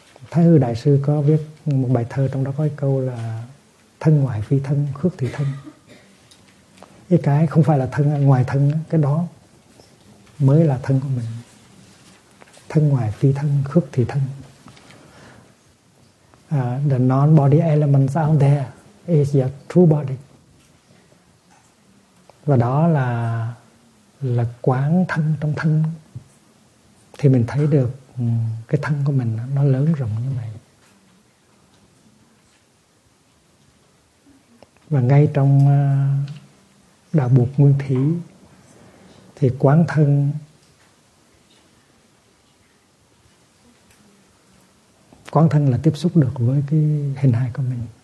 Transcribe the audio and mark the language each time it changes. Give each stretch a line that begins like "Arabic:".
Vietnamese: Thái Hư Đại Sư có viết một bài thơ, trong đó có câu là thân ngoại phi thân, khước thị thân. Cái không phải là thân ngoài thân, cái đó mới là thân của mình. Thân ngoài phi thân, khước thị thân.
English: The non-body elements out there is your true body.
Vietnamese: Và đó là quán thân trong thân. Thì mình thấy được cái thân của mình nó lớn rộng như vậy. Và ngay trong Đạo Bụt Nguyên Thủy thì quán thân là tiếp xúc được với cái hình hài của mình.